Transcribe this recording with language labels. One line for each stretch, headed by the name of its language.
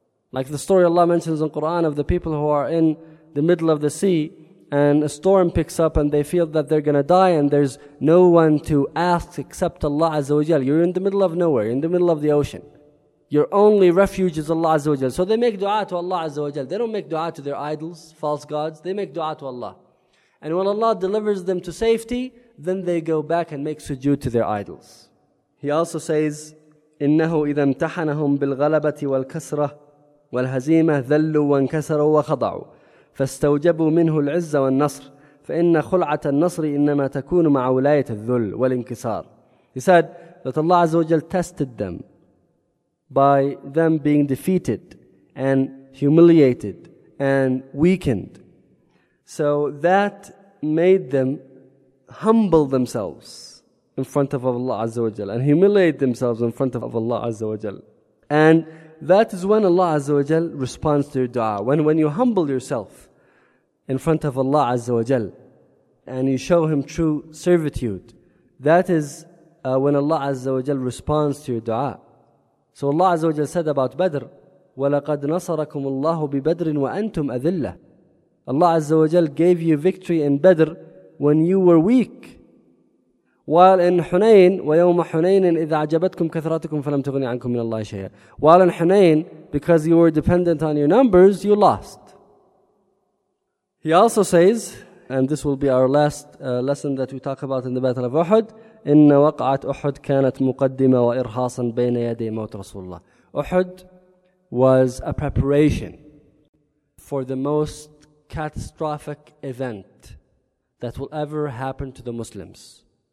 English: Like the story Allah mentions in Quran of the people who are in the middle of the sea, and a storm picks up and they feel that they're going to die and there's no one to ask except Allah Azza wa Jal. You're in the middle of nowhere, in the middle of the ocean. Your only refuge is Allah Azza wa Jal. So they make dua to Allah Azza wa Jal. They don't make dua to their idols, false gods. They make dua to Allah. And when Allah delivers them to safety, then they go back and make sujood to their idols. He also says,
Arabic: إِنَّهُ إِذَا امْتَحَنَهُمْ بِالْغَلَبَةِ وَالْكَسْرَةِ وَالْهَزِيمَةِ ذَلُّوا وَانْكَسَرُوا وَخَضَعُوا فَاسْتَوْجَبُوا مِنْهُ الْعِزَّ وَالنَّصْرِ فَإِنَّ خُلْعَةَ النَّصْرِ إِنَّمَا تَكُونُ مَعَ وَلَايَةِ الذُّلِّ وَالْإِنْكِسَارِ
English: He said that Allah Azza wa Jal tested them by them being defeated and humiliated and weakened. So that made them humble themselves in front of Allah Azza wa Jal and humiliate themselves in front of Allah Azza wa Jal. And that is when Allah Azza wa Jal responds to your dua. When you humble yourself in front of Allah Azza wa Jal and you show Him true servitude, that is when Allah Azza wa Jal responds to your dua. So Allah Azza wa Jal said about Badr,
Arabic: وَلَقَدْ نَصَرَكُمُ اللَّهُ بِبَدْرٍ وَأَنْتُمْ أَذِلَّةٍ
English: Allah Azza wa Jal gave you victory in Badr when you were weak. While in Hunayn,
Arabic: وَيَوْمَ حُنَيْنٍ إِذَا عَجَبَتْكُمْ كَثْرَتُكُمْ فَلَمْ تُغْنِي عَنْكُمْ مِنَ اللَّهِ شَيْئًا.
English: While in Hunayn, because you were dependent on your numbers, you lost. He also says, and this will be our last lesson that we talk about in the Battle of Uhud,
Arabic: إِنَّ وَقَعَتْ أُحُدْ كَانَتْ مُقَدِّمَ وَإِرْحَاصًا بَيْنَ يَدِي مَوْتِ رَسُولِ اللَّهِ.
English: Uhud was a preparation for the most catastrophic event that will ever happen to the Muslims.